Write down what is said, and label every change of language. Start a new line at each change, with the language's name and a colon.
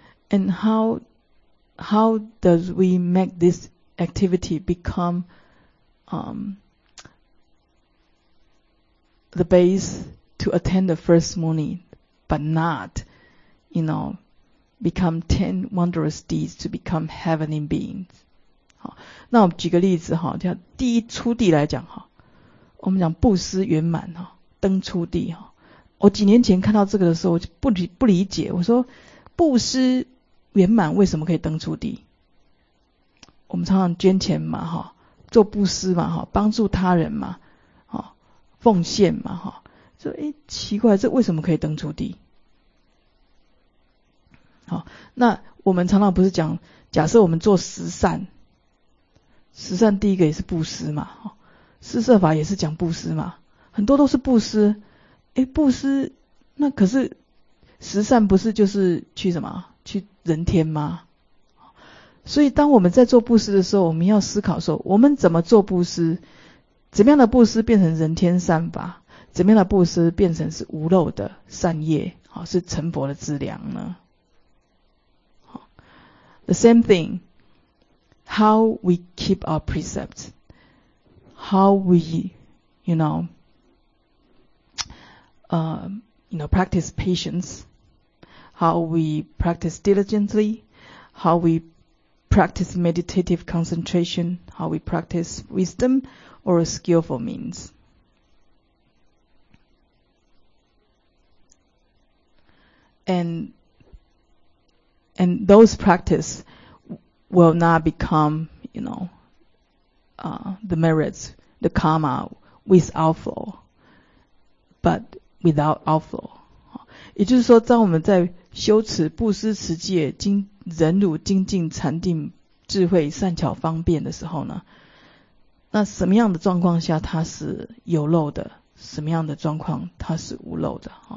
English: And how does we make this activity become the base to attend the first Muni, but not, you know, become 10 wondrous deeds to become heavenly beings?
Chinese: 好，那我们举个例子哈，叫第一初地来讲哈，我们讲布施圆满哈，登初地哈。我几年前看到这个的时候，我就不理解，我说布施圆满为什么可以登初地？我们常常捐钱嘛哈，做布施嘛哈，帮助他人嘛，哈，奉献嘛哈，说哎奇怪，这为什么可以登初地？好，那我们常常不是讲，假设我们做十善，十善第一个也是布施嘛，施设法也是讲布施嘛，很多都是布施。诶，布施，那可是十善不是就是去什么，去人天吗？所以当我们在做布施的时候，我们要思考说，我们怎么做布施，怎么样的布施变成人天善法，怎么样的布施变成是无漏的善业，是成佛的资粮呢？
English: The same thing, how we keep our precepts, how we, practice patience, how we practice diligently, how we practice meditative concentration, how we practice wisdom or a skillful means. And those practice will not become, the merits, the karma with outflow, but without outflow.
Chinese: 也就是说，当我们在修持布施持戒精忍辱精进禅定智慧善巧方便的时候呢，那什么样的状况下它是有漏的，什么样的状况它是无漏的？